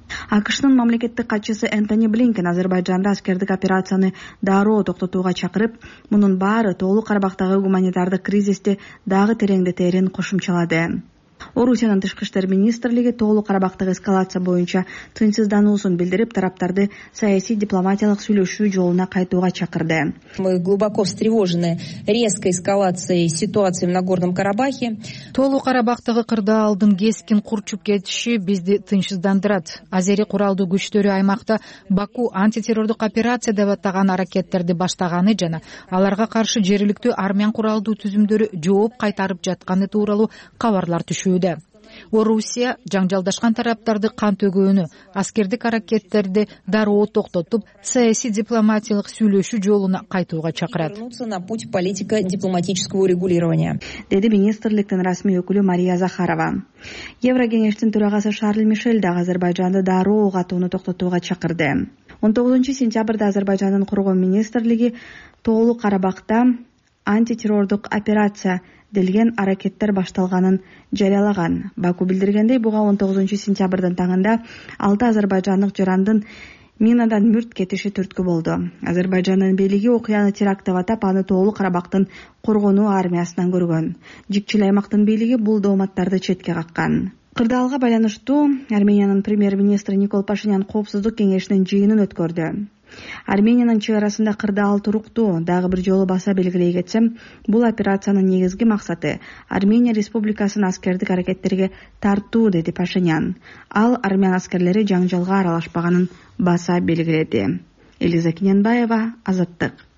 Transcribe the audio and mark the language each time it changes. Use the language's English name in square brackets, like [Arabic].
[Kyrgyz] АКШнын мамлекеттик катчысы Энтони Блинкен Азербайджанда аскердик операцияны дароо токтотууга чакырып, мунун баары Тоолу Карабактагы гуманитардык кризисти дагы тереңдетэрин кошумчалады. Орусиянын тышкы иштер министрлиги Тоолу Карабактагы эскалация боюнча тынчсыздануусун билдирип, тараптарды саясий дипломатиялык сүйлөшүү жолуна кайтууга чакырды. [Russian] Мы глубоко встревожены резкой эскалацией ситуации в Нагорном Карабахе. [Kyrgyz] Тоолу Карабактагы кырдаалдын кескин курчуп кетиши бизди тынчсыздандырат. Азери куралдуу күчтөрү аймакта Баку антитеррордук операция деп атаган аракеттерди баштаганы жана аларга каршы жергиликтүү армян куралдуу түзүмдөрү жооп кайтарып жатканы тууралуу кабарлар түшүүдө. Орусия жаңжалдашкан тараптарды кан төгөөнү, аскердик аракеттерди дароо токтотуп, саясий дипломатиялык сүйлөшүү жолуна кайтууга чакырат. [Russian] Путь политика дипломатического регулирования, [Kyrgyz] деди министрликтин расмий өкүлү Мария Захарова. Еврокеңештин төрагасы Шарль Мишель да Азербайджанды дароо катууну токтотууга чакырды. 19-сентябрда Азербайджандын коргоо министрлиги Тоолу Карабакта антитеррордук операция делген аракеттер башталганын жарыялаган. Баку билдиргендей, буга 19-сентябрдын таңында 6 азербайжандык жарандын минадан мүрт кетиши түрткү болду. Азербайжандын бийлиги окуяны теракт деп атап, аны Тоолу Карабактын коргонуу армиясынан көргөн. Жикчил аймактын бийлиги бул дооматтарды четке каккан. Кырдаалга байланыштуу Армениянын премьер-министри Никол Пашинян коопсуздук кеңешинин жыйынын өткөрдү. Армениянын чек арасында кырдаал туруктуу, дагы бир жолу баса белгилей кетсем, бул операциянын негизги максаты Армения Республикасынын аскердик аракеттерге тартуу, деди Пашинян. Ал армян аскерлери жаңжалга аралашпаганын баса белгиледи. Элиза Кененбаева, Азаттык.